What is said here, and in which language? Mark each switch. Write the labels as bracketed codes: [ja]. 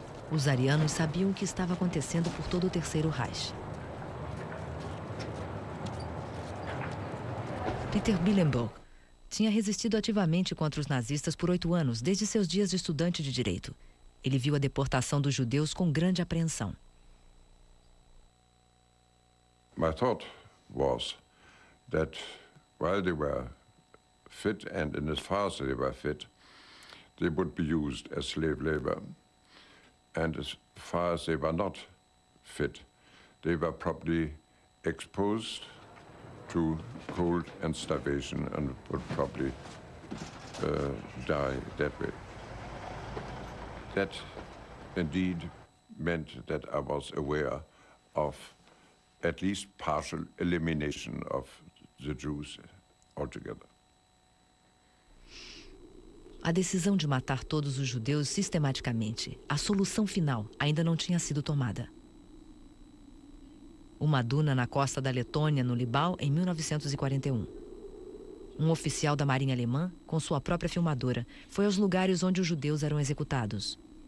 [pt] Os arianos sabiam o que estava acontecendo por todo o Terceiro Reich. Peter Billenburg tinha resistido ativamente contra os nazistas por 8 anos, desde seus dias de estudante de direito. Ele viu a deportação dos judeus com grande apreensão. [en] My thought was that while they were fit and in as far as they were fit, they would be used as slave labor. And as far as they were not fit, they were probably exposed to cold and starvation and would probably die that way. That indeed meant that I was aware of at least partial elimination of the Jews altogether. [pt] A decisão de matar todos os judeus sistematicamente, a solução final, ainda não tinha sido tomada. Uma duna na costa da Letônia, no Libau, em 1941. Um oficial da Marinha Alemã, com sua própria filmadora, foi aos lugares onde os judeus eram executados.